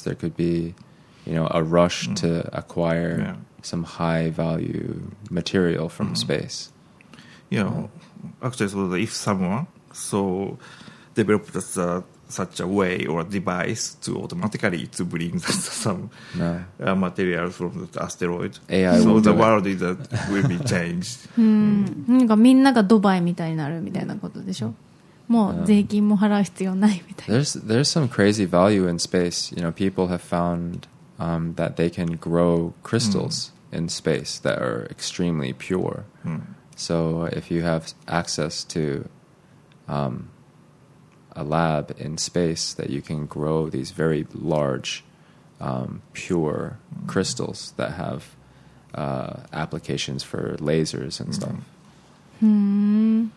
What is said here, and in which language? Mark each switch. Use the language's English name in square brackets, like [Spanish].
[English] There could be, you know, a rush to acquire some high value material from space. Yeah, actually, so if someone so developed that such a way or a device to automatically to bring some material from the asteroid. AI so the world is that will be changed. [Japanese] なんかみんながドバイみたいになるみたいなことでしょ。もう税金も払う必要ないみたいな。 [English] There's some crazy value in space. You know, people have found that they can grow crystals in space that are extremely pure. So if you have access to a lab in space that you can grow these very large pure crystals that have applications for lasers and stuff,